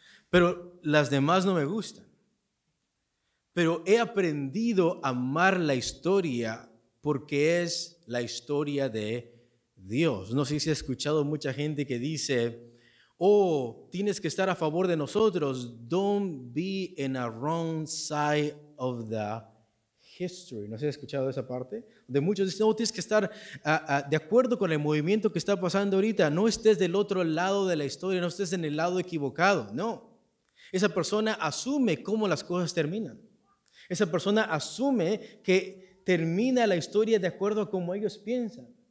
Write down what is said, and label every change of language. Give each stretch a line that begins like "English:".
Spanish: Pero las demás no me gustan. Pero he aprendido a amar la historia porque es la historia de Dios. No sé si has escuchado mucha gente que dice, oh, tienes que estar a favor de nosotros.
English: Don't be in a wrong side of the history.
Spanish: ¿No sé si has escuchado esa parte? De muchos dicen, no, tienes que estar de acuerdo con el movimiento que está pasando ahorita. No estés del otro lado de la historia, no estés en el lado equivocado. No, esa persona asume cómo las cosas terminan. Esa persona asume que termina la historia de acuerdo a como ellos piensan.